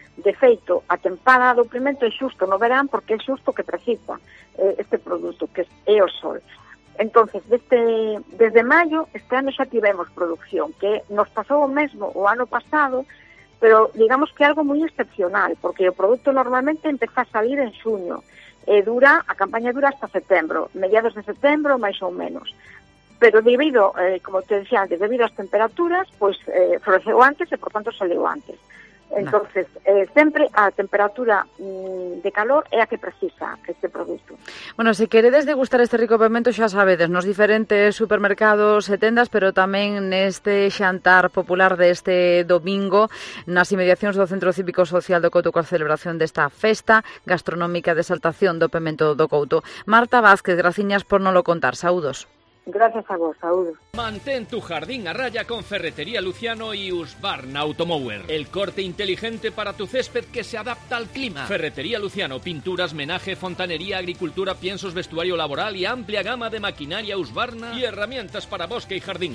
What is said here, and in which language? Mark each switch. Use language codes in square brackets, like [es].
[gl] De feito, a tempada do pimento é xusto no verán, porque é xusto que precisa este produto, que é o sol. Entón, desde maio, este ano xa tivemos producción, que nos pasou o mesmo o ano pasado, pero digamos que algo moi excepcional, porque o produto normalmente empeza a salir en xuño, e a campaña dura hasta setembro, mediados de setembro, máis ou menos. Pero debido, como te decía antes, debido ás temperaturas, pois floreceu antes e, por tanto, saliu antes. Entonces, sempre a temperatura de calor é a que precisa este produto. Bueno, se queredes degustar este rico pemento, xa sabedes, nos diferentes supermercados e tendas, pero tamén neste xantar popular deste domingo, nas inmediacións do Centro Cívico Social do Couto, coa celebración desta festa gastronómica de exaltación do pemento do Couto. Marta Vázquez, graciñas por non lo contar. Saúdos. [es] Gracias a vos, saludos. Mantén tu jardín a raya con Ferretería Luciano y Husqvarna Automower. El corte inteligente para tu césped que se adapta al clima. Ferretería Luciano, pinturas, menaje, fontanería, agricultura, piensos, vestuario laboral y amplia gama de maquinaria Husqvarna y herramientas para bosque y jardín.